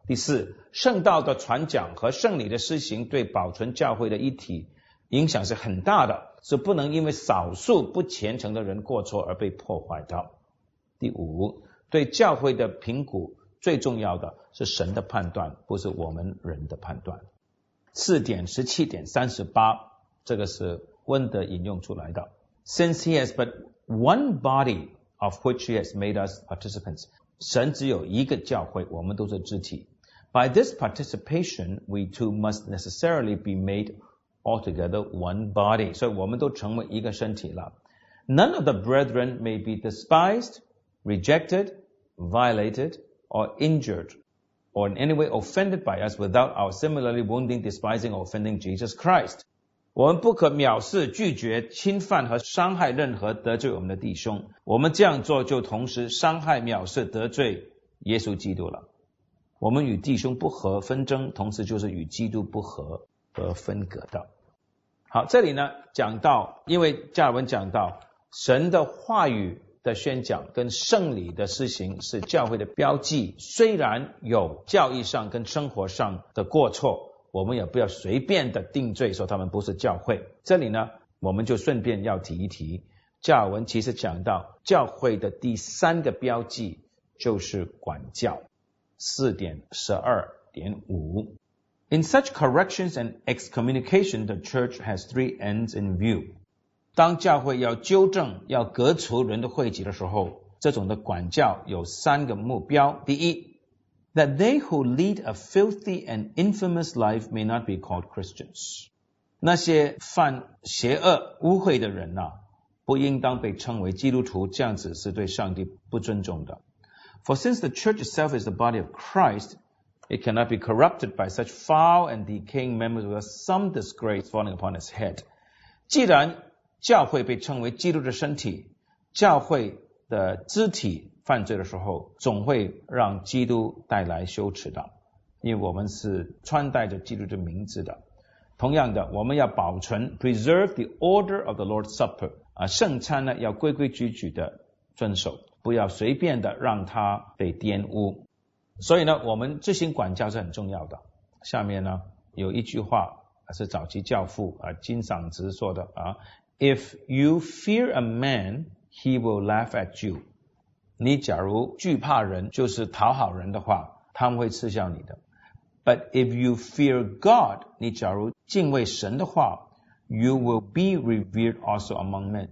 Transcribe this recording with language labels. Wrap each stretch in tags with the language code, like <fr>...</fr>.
<zh>第四，圣道的传讲和圣礼的施行对保存教会的一体影响是很大的，是不能因为少数不虔诚的人过错而被破坏的。第五，对教会的评估最重要的是神的判断，不是我们人的判断。 4.17.38，这个是温德引用出来的。</zh> <en>Since he has but one body of which he has made us participants，</en> <zh>神只有一个教会，我们都是肢体。</zh> <en>By this participation, we too must necessarily be made altogether one body，</en> <zh>所以我们都成为一个身体了。</zh> <en>None of the brethren may be despised, rejected, violated。 Or injured, or in any way offended by us without our similarly wounding, despising, or offending Jesus Christ.</en> <zh>我们不可藐视、拒绝、侵犯和伤害任何得罪我们的弟兄。我们这样做就同时伤害、藐视、得罪耶稣基督了。我们与弟兄不和，纷争，同时就是与基督不和而分隔的。好，这里呢讲到，因为加尔文讲到神的话语的宣讲跟圣礼的施行是教会的标记，虽然有教义上跟生活上的过错，我们也不要随便的定罪说他们不是教会。这里呢我们就顺便要提一提，加尔文其实讲到教会的第三个标记就是管教 4.12.5。</zh> <en>In such corrections and excommunication, the church has three ends in view.</en> <zh>当教会要纠正要革除人的会籍的时候，这种的管教有三个目标。第一，</zh> <en>That they who lead a filthy and infamous life may not be called Christians.</en> <zh>那些犯邪恶污秽的人啊，不应当被称为基督徒，这样子是对上帝不尊重的。</zh> <en>For since the church itself is the body of Christ, it cannot be corrupted by such foul and decaying members with some disgrace falling upon its head.</en> <zh>既然教会被称为基督的身体，教会的肢体犯罪的时候，总会让基督带来羞耻的，因为我们是穿戴着基督的名字的。同样的，我们要保存</zh> <en>preserve the order of the Lord's Supper。</en> <zh>圣餐呢要规规矩矩的遵守，不要随便的让它被玷污。所以呢我们执行管教是很重要的。下面呢有一句话是早期教父金嗓子说的啊，</zh> <en>If you fear a man, he will laugh at you.</en> <zh>你假如惧怕人就是讨好人的话，他们会嗤笑你的。</zh> <en>But if you fear God,</en> <zh>你假如敬畏神的话，</zh> <en>You will be revered also among men.</en>